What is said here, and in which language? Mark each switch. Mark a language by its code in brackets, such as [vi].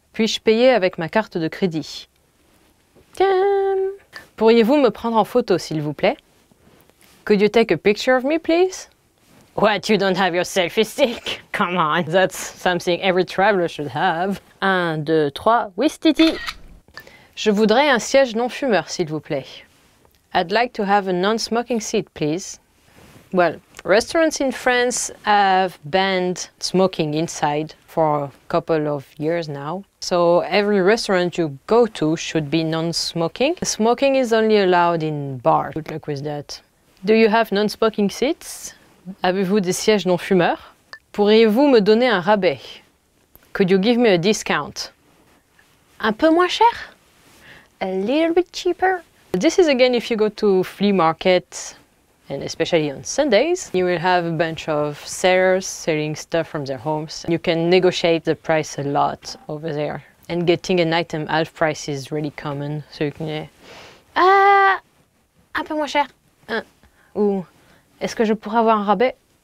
[fr] Puis-je payer avec ma carte de crédit? Tiens! Pourriez-vous me prendre en photo, s'il vous plaît? [en] Could you take a picture of me, please? What, you don't have your selfie stick? Come on, that's something every traveler should have. 1, 2, 3, whistiti! [fr] Je voudrais un siège non-fumeur, s'il vous plaît. [en] I'd like to have a non-smoking seat, please. Well, restaurants in France have banned smoking inside for a couple of years now. So every restaurant you go to should be non-smoking. Smoking is only allowed in bars. Good luck with that. Do you have non-smoking seats? [fr] Avez-vous des sièges non-fumeurs? Pourriez-vous me donner un rabais? [en] Could you give me a discount? [fr] Un peu moins cher? [en] A little bit cheaper? This is again if you go to flea market, and especially on Sundays, you will have a bunch of sellers selling stuff from their homes. You can negotiate the price a lot over there. And getting an item half price is really common. So you can, [fr] un peu moins cher. Ou, est-ce que je pourrais avoir un rabais?